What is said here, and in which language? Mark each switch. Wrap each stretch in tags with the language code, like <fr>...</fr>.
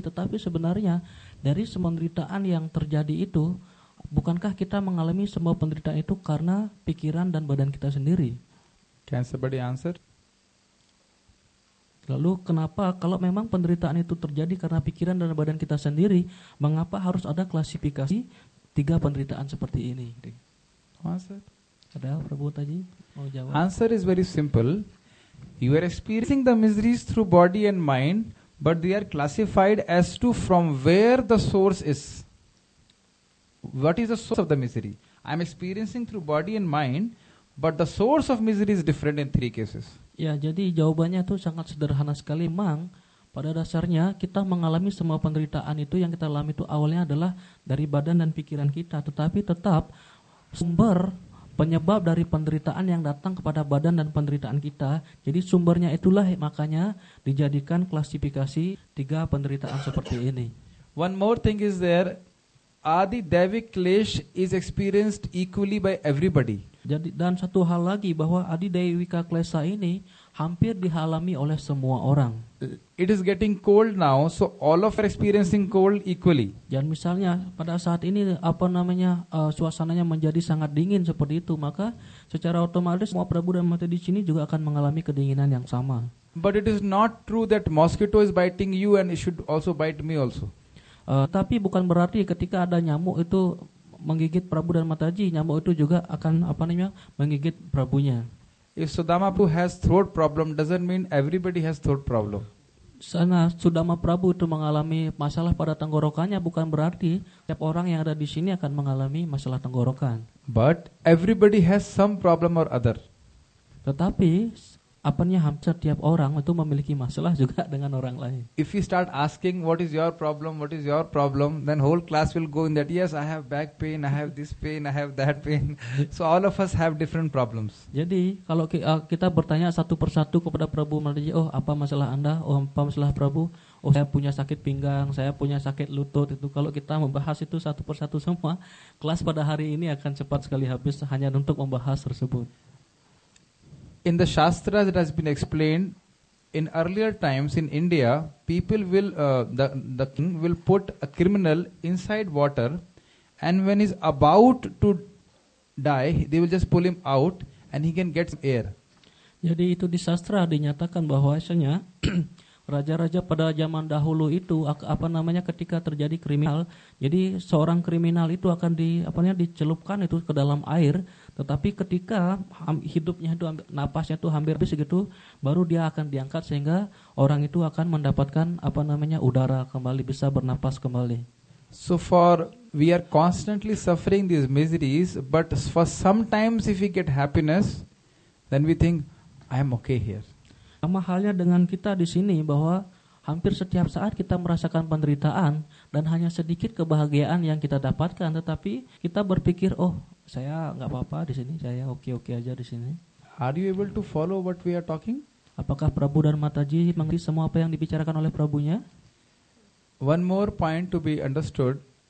<id>Tetapi sebenarnya dari semua penderitaan yang terjadi itu, bukankah kita mengalami semua penderitaan itu karena pikiran dan badan kita sendiri?</id> <en>Can somebody answer?</en> <id>Lalu kenapa kalau memang penderitaan itu terjadi karena pikiran dan badan kita sendiri, mengapa harus ada klasifikasi tiga penderitaan seperti ini?</id> <en>Answer.</en> <id>Ada Prabhu tadi mau jawab.</id> <en>Answer is very simple. You are experiencing the miseries through body and mind, but they are classified as to from where the source is. What is the source of the misery? I am experiencing through body and mind, but the source of misery is different in three cases.</en> <id>Ya, jadi jawabannya itu sangat sederhana sekali. Memang pada dasarnya kita mengalami semua penderitaan itu yang kita alami itu awalnya adalah dari badan dan pikiran kita. Tetapi tetap sumber penyebab dari penderitaan yang datang kepada badan dan penderitaan kita. Jadi sumbernya itulah makanya dijadikan klasifikasi tiga penderitaan seperti ini.</id> <en>One more thing is there. Adi Devik Klesh is experienced equally by everybody.</en> <id>Jadi dan satu hal lagi bahwa Adi Devika Klesha ini hampir dialami oleh semua orang.</id> <en>It is getting cold now, so all of are experiencing cold equally.</en> <id>Dan misalnya pada saat ini suasananya menjadi sangat dingin seperti itu, maka secara otomatis semua Prabhu dan Mata di sini juga akan mengalami kedinginan yang sama.</id> <en>But it is not true that mosquito is biting you and it should also bite me also.</en> <id>Tapi bukan berarti ketika ada nyamuk itu menggigit Prabhu dan Mataji, nyamuk itu juga akan menggigit Prabhunya.</id> <en>If Sudama Prabhu has throat problem, doesn't mean everybody has throat problem.</en> <id>Sana Sudama Prabhu itu mengalami masalah pada tenggorokannya, bukan berarti setiap orang yang ada di sini akan mengalami masalah tenggorokan.</id> <en>But everybody has some problem or other.</en> <id>Tetapi hampir setiap orang itu memiliki masalah juga dengan orang lain.</id> <en>If you start asking what is your problem, then whole class will go in that, yes, I have back pain, I have this pain, I have that pain. So all of us have different problems.</en> <id>Jadi kalau kita bertanya satu persatu kepada Prabhu Mataji, oh apa masalah Anda, oh apa masalah Prabhu, oh saya punya sakit pinggang, saya punya sakit lutut, itu kalau kita membahas itu satu persatu semua, kelas pada hari ini akan cepat sekali habis hanya untuk membahas tersebut.</id> <en>In the shastras, it has been explained. In earlier times in India, the king will put a criminal inside water, and when he's about to die, they will just pull him out, and he can get some air.</en> <id>Jadi itu di sastra dinyatakan bahwasanya raja-raja pada zaman dahulu itu ketika terjadi kriminal, jadi seorang kriminal itu akan dicelupkan itu ke dalam air. Tetapi ketika hidupnya itu, napasnya itu hampir habis gitu, baru dia akan diangkat sehingga orang itu akan mendapatkan udara kembali, bisa bernapas kembali.</id> <en>So for we are constantly suffering these miseries, but for sometimes if we get happiness, then we think I am okay here.</en> <id>Sama halnya dengan kita di sini bahwa hampir setiap saat kita merasakan penderitaan dan hanya sedikit kebahagiaan yang kita dapatkan, tetapi kita berpikir, oh saya enggak apa-apa di sini, saya oke-oke aja di sini.</id> <en>Are you able to follow what we are talking?</en> <id>Apakah Prabhu dan Mataji mengerti semua apa yang dibicarakan oleh Prabhunya?</id> <en>One more point to be understood.</en>